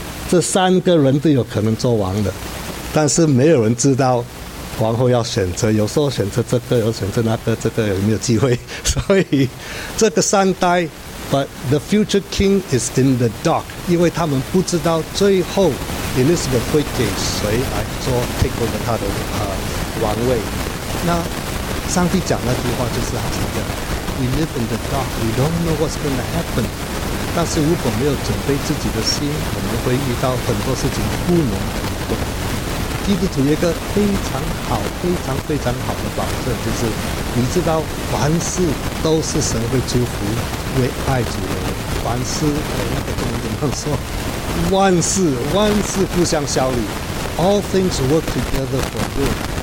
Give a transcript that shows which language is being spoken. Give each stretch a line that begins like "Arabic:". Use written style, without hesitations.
Chinese: 这三个人都有可能做王的，但是没有人知道王后要选择，有时候选择这个，有选择那个，这个有没有机会？所以这个三代
English: But the future king is in the dark，
Chinese: 因为他们不知道最后 Elizabeth 会给谁来做 take over 他的王位。那上帝讲那句话就是好像这样，
English: We live in the dark, we don't know what's going to happen。
Chinese: 但是如果没有准备自己的心，我们会遇到很多事情不能不过。基督徒有一个非常好非常非常好的保证，就是你知道凡事都是神会祝福为爱主的人，凡事那个中文怎么说，万事万事互相效力，
English: All things work together for good。